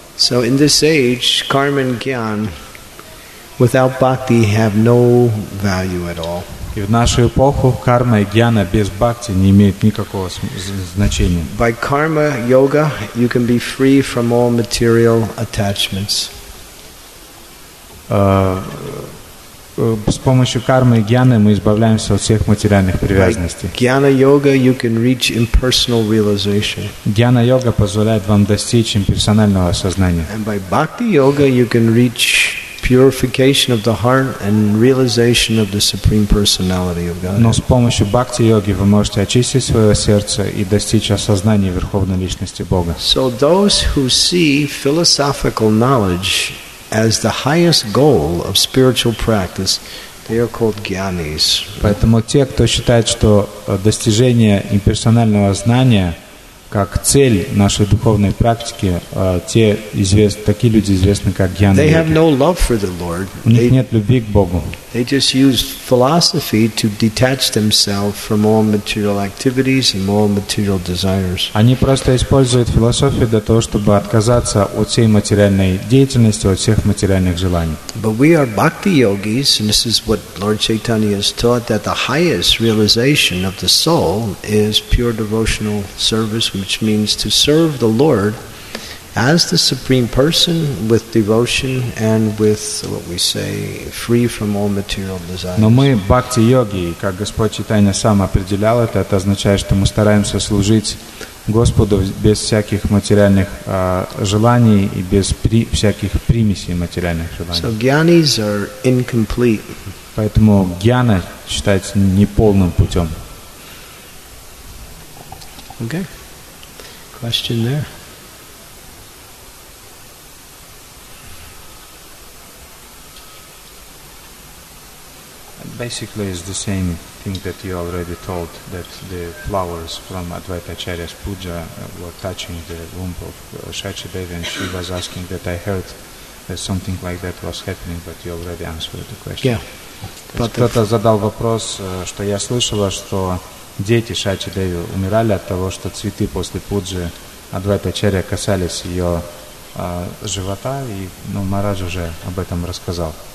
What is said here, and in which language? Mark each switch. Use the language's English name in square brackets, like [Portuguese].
[English] So in this age, karma and jnana without bhakti have no value at all. [Russian] И в нашу эпоху карма и джняна без бхакти не имеют никакого значения. [English] By karma yoga you can be free from all material attachments. [Russian] С помощью кармы и джняны мы избавляемся от всех материальных привязанностей. [English] By jnana yoga you can reach impersonal realization. [Russian] Джняна йога позволяет вам достичь имперсонального осознания. [English] And by bhakti yoga you can reach purification of the heart and realization of the Supreme Personality of God. [Russian] Но с помощью бхакти-йоги вы можете очистить свое сердце и достичь осознания Верховной Личности Бога. [English] So those who see philosophical knowledge as the highest goal of spiritual practice, they are called jnanis. [Russian] Поэтому те, кто считает, что достижение имперсонального знания как цель нашей духовной практики, такие люди известны как джняны. [English] They have no love for the Lord. [Russian] У них нет любви к Богу. [English] They just use philosophy to detach themselves from all material activities and all material desires. [Russian] Они просто используют философию для того, чтобы отказаться от всей материальной деятельности, от всех материальных желаний. [English] But we are bhakti yogis, and this is what Lord Chaitanya has taught, that the highest realization of the soul is pure devotional service, which means to serve the Lord as the Supreme Person with devotion and with, what we say, free from all material desires. [Russian] Но мы бхакти-йоги, как Господь Чайтанья сам определял это означает, что мы стараемся служить Господу без всяких материальных желаний и без всяких примесей материальных желаний. [English] So jnanis are incomplete. [Russian] Поэтому jnana считается неполным путем. [English] Okay. Question there. Basically, it's the same thing that you already told, that the flowers from Advaita Acharya's puja were touching the womb of Shachidevi, and she was asking that I heard that something like that was happening, but you already answered the question. Yeah. [Russian] Кто-то задал вопрос, что я слышала, что дети Шачидеви умирали от того, что цветы после пуджи Адвайта Ачарья касались ее живота, и Махарадж уже об этом рассказал.